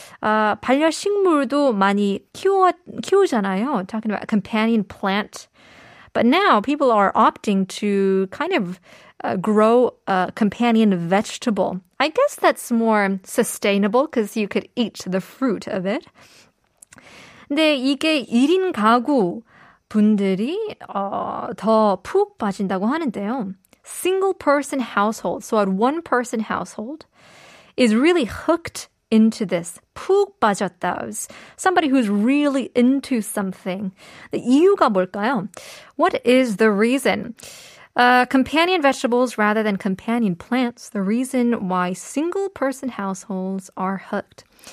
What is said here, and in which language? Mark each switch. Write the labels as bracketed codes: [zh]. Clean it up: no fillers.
[ko] 반려식물도 많이 키우잖아요. [en] Talking about companion plant. But now people are opting to kind of grow a companion vegetable. I guess that's more sustainable because you could eat the fruit of it. [ko] 근데 이게 1인 가구 분들이 더 푹 빠진다고 하는데요. [en] Single person household, so a one person household is really hooked into this. [ko] 푹 빠졌다. [en] Somebody who's really into something. [ko] 이유가 뭘까요? [en] What is the reason? Companion vegetables rather than companion plants, the reason why single person households are hooked.